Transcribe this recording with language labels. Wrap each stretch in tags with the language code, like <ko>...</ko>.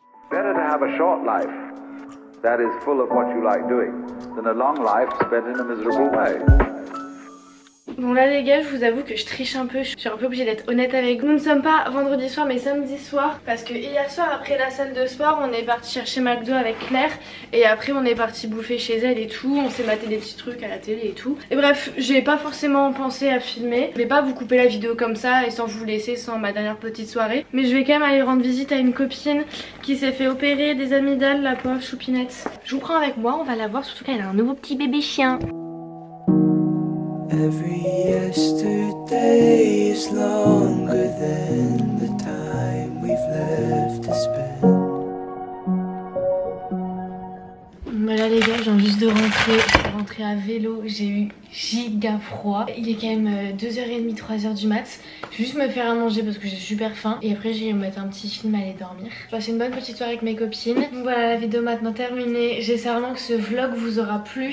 <en>Better to have a short life that is full of what you like doing than a long life spent in a miserable way.</en> <fr>Bon là les gars, je vous avoue que je triche un peu, je suis un peu obligée d'être honnête avec vous. Nous ne sommes pas vendredi soir mais samedi soir, parce que hier soir après la salle de sport on est parti chercher McDo avec Claire, et après on est parti bouffer chez elle et tout, on s'est maté des petits trucs à la télé et tout. Et bref, j'ai pas forcément pensé à filmer, je vais pas vous couper la vidéo comme ça et sans vous laisser sans ma dernière petite soirée. Mais je vais quand même aller rendre visite à une copine qui s'est fait opérer des amygdales, la pauvre choupinette. Je vous prends avec moi, on va la voir, surtout qu'elle a un nouveau petit bébé chien.</fr> <en>Every yesterday is longer than the time we've left to spend.</en> <fr>Voilà les gars, j'ai envie juste de rentrer. rentrée à vélo, j'ai eu giga froid. Il est quand même 2h30, 3h du mat. Je vais juste me faire à manger parce que j'ai super faim. Et après, j'ai eu mettre un petit film, aller dormir. Je passe une bonne petite soirée avec mes copines. Donc voilà, la vidéo maintenant terminée. J'espère vraiment que ce vlog vous aura plu.</fr>